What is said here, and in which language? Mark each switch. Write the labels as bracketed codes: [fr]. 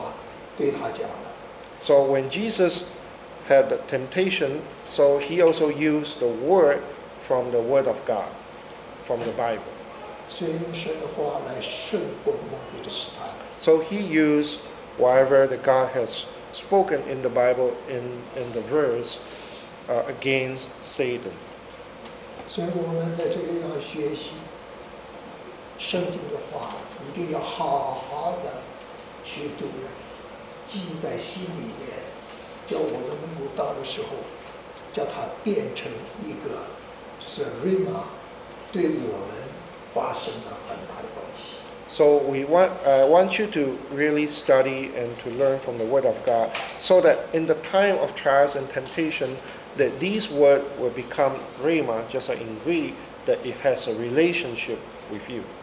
[zh] 所以你看到耶稣在受试探的时候，他都是用神的话，都是神圣经的话对他讲的。 [en] So when Jesus had the temptation, so he also used the word from the word of God, from the Bible. [zh] 所以用神的话来胜过魔鬼的试探。 [en] So he used whatever that God has spoken in the Bible in the verse against Satan. [zh] 所以我们在这里要学习圣经的话，一定要好好的去读，记在心里面，叫我们能够到的时候，叫它变成一个，就是 Rhema 对我们发生的很大的关系。 [en] So we want you to really study and to learn from the Word of God, so that in the time of trials and temptation, that these words will become Rhema, just like in Greek, that it has a relationship with you.